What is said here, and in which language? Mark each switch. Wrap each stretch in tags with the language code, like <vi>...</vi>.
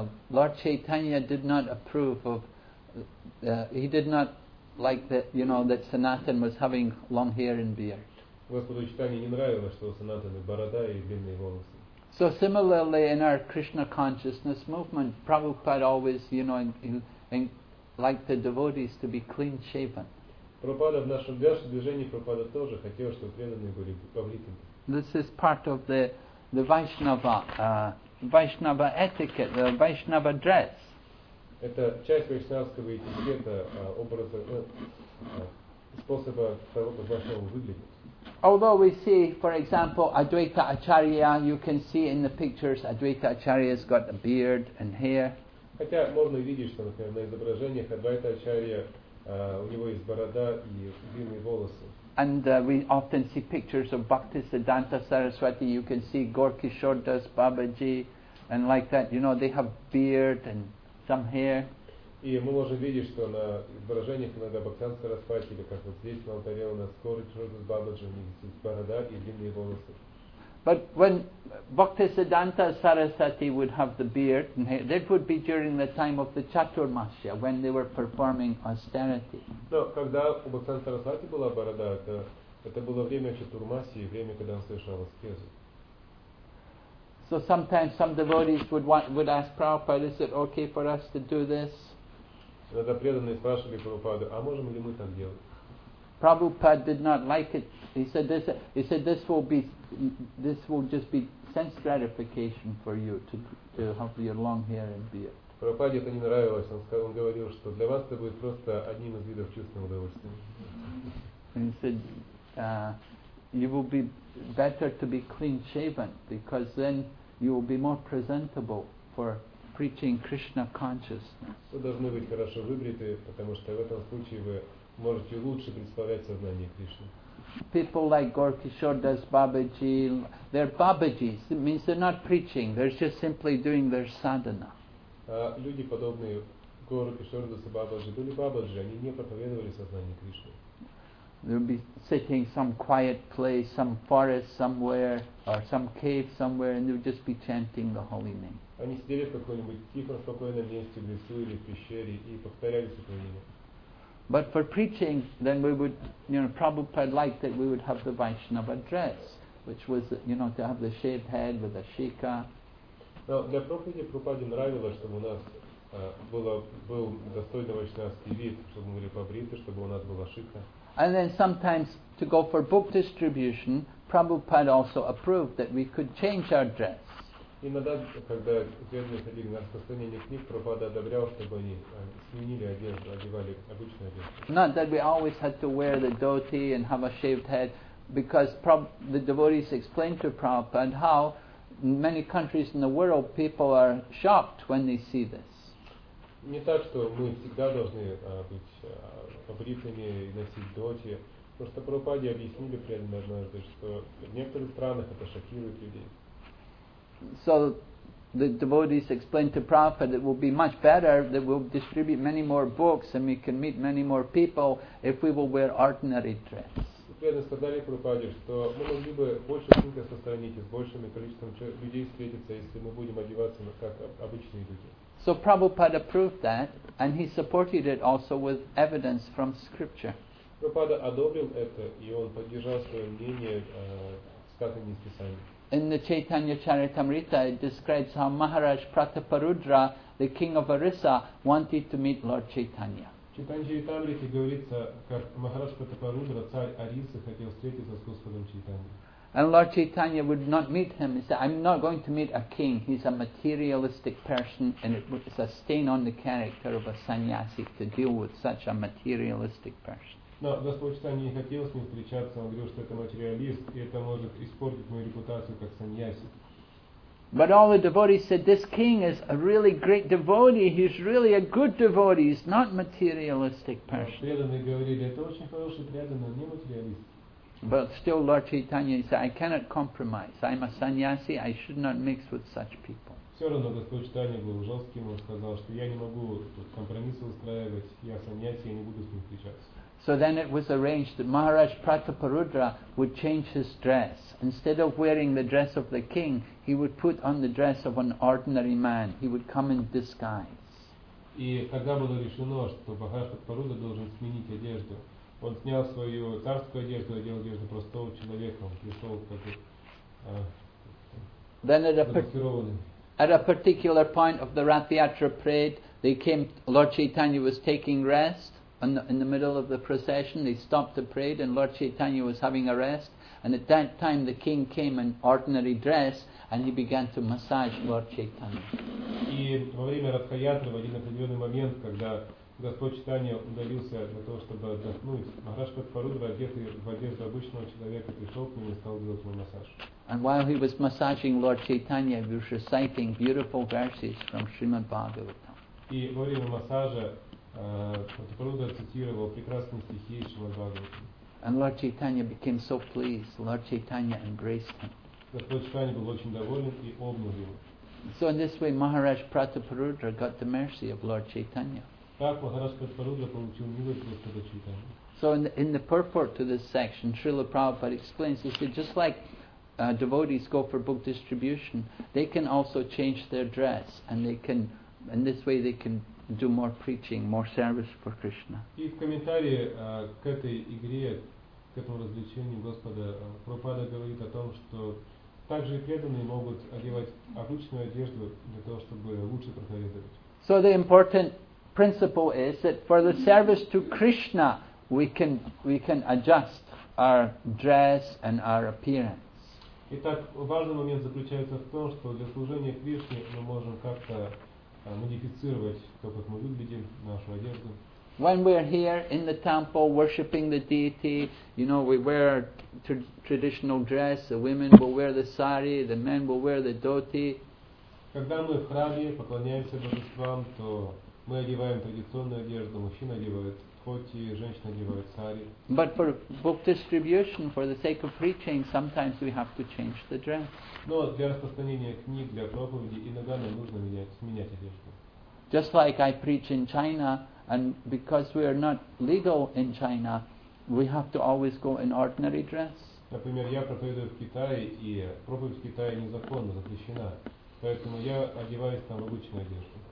<en>Lord Chaitanya did not approve of he did not like that, you know, that Sanatan was having long hair and beard.</en> <ru>Господу Чайтанье не нравилось, что у Санатаны борода и длинные волосы.</ru> <en>So similarly in our Krishna consciousness movement, Prabhupada always, you know, liked the devotees to be clean shaven.</en> <ru>Пропада в нашем Вяшу движении Пропада тоже хотел, чтобы преданные были побритыми.</ru> <en>This is part of the Vaishnava etiquette, the Vaishnava dress.</en> <ru>Это часть вайшнавского этикета, образа, способа того, как Вайшнава выглядит.</ru> <en>Although we see, for example, Advaita Acharya, you can see in the pictures, Advaita Acharya's got a beard and hair.</en> <ru>Хотя можно видеть, что, например, на изображениях Advaita Acharya, у него есть борода и длинные волосы.</ru> <en>And we often see pictures of Bhaktisiddhanta Saraswati, you can see Gaurakishore Das Babaji, and like that, you know, they have beard and some hair.</en> <ru>И мы можем видеть, что на изображениях иногда Бхактисиддханта Сарасвати, или как вот здесь на алтаре у нас Gaurakishore Das Babaji, у них есть борода и длинные волосы.</ru> <en>But when Bhaktisiddhanta Saraswati would have the beard and hair, that would be during the time of the Chaturmasya, when they were performing austerity.</en> <ru>Но когда у Бхактисиддханта Сарасвати была борода, это было время Чатурмасии, время, когда он совершал аскезу.</ru> <en>So sometimes some devotees would ask Prabhupada, is it okay for us to do this?</en> <ru>Иногда преданные спрашивали Прабхупаду, а можем ли мы так делать?</ru> <en>Prabhupada did not like it. He said this will just be sense gratification for you to have your long hair and beard.</en> <ru>Прабхупаде это не нравилось. Он говорил, что для вас это будет просто одним из видов чувственного удовольствия.</ru> <en>He said, you will be better to be clean shaven because then you will be more presentable for preaching Krishna consciousness.</en> <ru>Вы должны быть хорошо выбриты, потому что в этом случае вы можете лучше представлять сознание Кришны.</ru> <en>People like Gaurakishore Das Babaji, they're Babajis. It means they're not preaching. They're just simply doing their sadhana.</en> <ru>Люди подобные Gaurakishore Das Babaji были Бабаджи. Они не проповедовали сознание Кришны.</ru> <en>They'll be sitting in some quiet place, some forest somewhere, or some cave somewhere, and they'll just be chanting the holy name.</en> <ru>Они сидели в каком-нибудь тихом, спокойном месте, в лесу или в пещере, и повторяли святое имя.</ru> <en>But for preaching, then we would, you know, Prabhupada liked that we would have the Vaishnava dress, which was, you know, to have the shaved head with a shika.</en> <ru>Now, для проповеди Прабхупаде нравилось, чтобы у нас был достойный вайшнавский вид, чтобы мы были побриты, чтобы у нас была шика.</ru> <en>And then sometimes to go for book distribution, Prabhupada also approved that we could change our dress.</en> <ru>Иногда, когда преданные ходили на распространение книг, Прабхупада одобрял, чтобы они сменили одежду, одевали обычную одежду.</ru> <en>Not that we always had to wear the dhoti and have a shaved head, because the devotees explained to Prabhupada how in many countries in the world people are shocked when they see this.</en> <ru>Не так, что мы всегда должны быть побритыми и носить дхоти. Просто Прабхупаде объяснили преданные однажды, что в некоторых странах это шокирует людей.</ru> <en>So the devotees explained to Prabhupada it will be much better that we'll distribute many more books and we can meet many more people if we will wear ordinary dress.</en> <ru>Преданные сказали Прабхупаде, что мы могли бы больше рынка сохранить и с большим количеством людей встретиться, если мы будем одеваться как обычные люди.</ru> <en>So Prabhupada approved that and he supported it also with evidence from scripture.</en> <ru>Прабхупада одобрил это и он поддержал свое мнение сказанным из Писания.</ru> <en>In the Chaitanya Charitamrita, it describes how Maharaj Prataparudra, the king of Orissa, wanted to meet Lord Chaitanya.</en> <ru>Chaitanya Charitamrita говорится, как Maharaj Prataparudra, царь Орисы, хотел встретиться с Господом Чайтаньей.</ru> <en>And Lord Chaitanya would not meet him. He said, "I'm not going to meet a king. He's a materialistic person, and it's a stain on the character of a sannyasi to deal with such a materialistic person."</en> <ru>Но Господь Читания не хотел с ним встречаться, он говорил, что это материалист, и это может испортить мою репутацию как саньяси.</ru> <en>But all the devotees said, this king is a really great devotee, he's really a good devotee, he's not materialistic person.</en> <ru>Преданные говорили, это очень хороший преданный, не материалист.</ru> <en>But still Lord Chaitanya said, I cannot compromise, I'm a sannyasi, I should not mix with such people.</en> <ru>Все равно Господь Читания был жестким, он сказал, что я не могу тут компромиссы устраивать, я саньяси, я не буду с ним встречаться.</ru> <en>So then it was arranged that Maharaj Prataparudra would change his dress. Instead of wearing the dress of the king, he would put on the dress of an ordinary man. He would come in disguise.</en> <ru>И когда было решено, что Махарадж Прапарудра должен сменить одежду, он снял свою царскую одежду, одел одежду простого человека, он пришел как бы.</ru> <en>Then at a particular point of the Rath Yatra parade, they came. Lord Chaitanya was taking rest. In the middle of the procession, they stopped the parade, and Lord Chaitanya was having a rest. And at that time, the king came in ordinary dress, and he began to massage Lord Chaitanya.</en> <ru>И во время Радха-ятры, в один определенный момент, когда Господь Чайтанья удалился для того, чтобы отдохнуть, Махарадж Прапарудра, одетый в одежду обычного человека, пришел к нему и стал делать ему массаж.</ru> <en>And while he was massaging Lord Chaitanya, he was reciting beautiful verses from Srimad Bhagavatam.</en> <ru>И во время массажа Прапарудра цитировал прекрасные стихи из Шримад Бхагаватам.</ru> <en>And Lord Chaitanya became so pleased. Lord Chaitanya embraced him.</en> <ru>Господь Чайтанья был очень доволен и обнял его.</ru> <en>So in this way, Maharaj Prataparudra got the mercy of Lord Chaitanya.</en> <ru>Так Махарадж Прапарудра получил милость Господа Чайтаньи.</ru> <en>So in the purport to this section, Srila Prabhupada explains, he said, just like devotees go for book distribution, they can also change their dress, and they can, in this way, they can do more preaching, more service for Krishna.</en> <ru>И в комментарии к этой игре, к этому развлечению Господа, Прабхупада говорит о том, что также преданные могут одевать обычную одежду для того, чтобы лучше проповедовать.</ru> <en>So the important principle is that for the service to Krishna, we can adjust our dress and our appearance.</en> <ru>Итак, важный момент заключается в том, что для служения Кришне мы можем как-то модифицировать то, как мы выглядим, нашу одежду.</ru> <en>When we are here in the temple worshipping the deity, you know, we wear traditional dress, the women will wear the sari, the men will wear the dhoti.</en> <ru>Когда мы в храме поклоняемся божествам, то мы одеваем традиционную одежду, мужчина одевает дхоти, женщина одевает сари.</ru> <en>But for book distribution, for the sake of preaching, sometimes we have to change the dress.</en> <ru>Но для распространения книг, для проповеди, иногда нам нужно менять одежду.</ru> <en>Just like I preach in China, and because we are not legal in China, we have to always go in ordinary dress.</en> <ru>Например, я проповедую в Китае, и проповедь в Китае незаконна, запрещена. Поэтому я одеваюсь там в обычную одежду.</ru>